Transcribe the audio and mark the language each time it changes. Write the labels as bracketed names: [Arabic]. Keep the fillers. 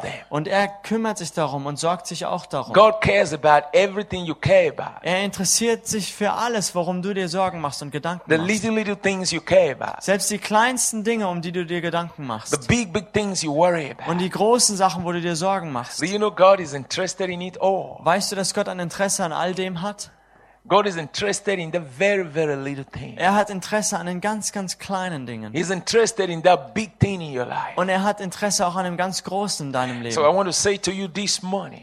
[German] Und er kümmert sich darum und sorgt sich auch darum. Er interessiert sich für alles, worum du dir Sorgen machst und Gedanken machst. Selbst die kleinsten Dinge, um die du dir Gedanken machst. Und die großen Sachen, wo du dir Sorgen machst. Weißt du, dass Gott ein Interesse an all dem hat? [English] God is interested in the very, very little thing. [German] Er hat Interesse an den ganz, ganz kleinen Dingen. [English] He's interested in that big thing in your life. [German] Und er hat Interesse auch an dem ganz Großen in deinem Leben.